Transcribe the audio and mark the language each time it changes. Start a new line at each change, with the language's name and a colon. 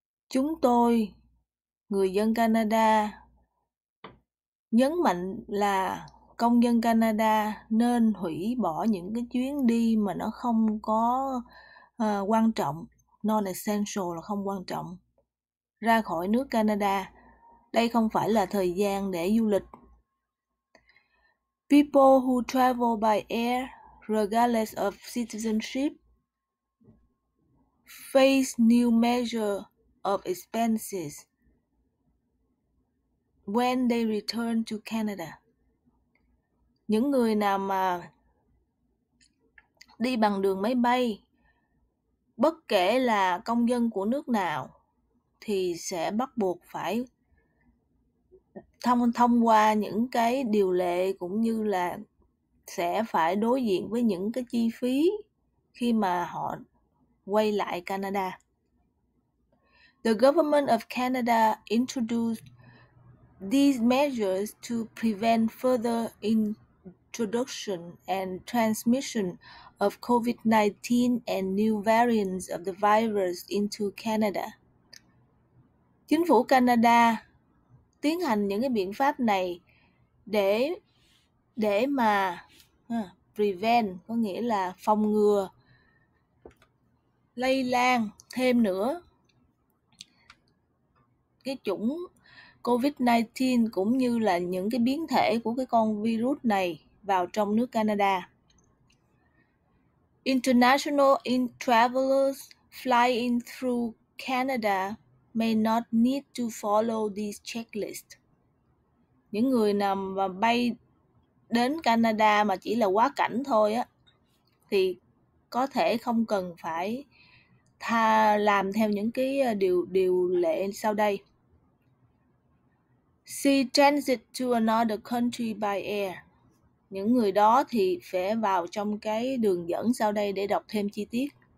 Vietnamese: Chúng tôi, người dân Canada, nhấn mạnh là công dân Canada nên hủy bỏ những cái chuyến đi mà nó không có quan trọng, non-essential là không quan trọng, ra khỏi nước Canada. Đây không phải là thời gian để du lịch.
English: People who travel by air, regardless of citizenship, face new measure of expenses when they return to Canada.
Vietnamese: Những người nào mà đi bằng đường máy bay, bất kể là công dân của nước nào, thì sẽ bắt buộc phải thông qua những cái điều lệ cũng như là sẽ phải đối diện với những cái chi phí khi mà họ quay lại Canada.
English: The government of Canada introduced these measures to prevent further introduction and transmission of COVID-19 and new variants of the virus into Canada.
Vietnamese: Chính phủ Canada tiến hành những cái biện pháp này để mà prevent có nghĩa là phòng ngừa lây lan thêm nữa cái chủng COVID-19 cũng như là những cái biến thể của cái con virus này vào trong nước Canada.
English: International travelers flying through Canada may not need to follow this checklist.
Vietnamese: Những người nào mà bay đến Canada mà chỉ là quá cảnh thôi á thì có thể không cần phải làm theo những cái điều lệ sau đây.
English: See transit to another country by air.
Vietnamese: Những người đó thì sẽ vào trong cái đường dẫn sau đây để đọc thêm chi tiết.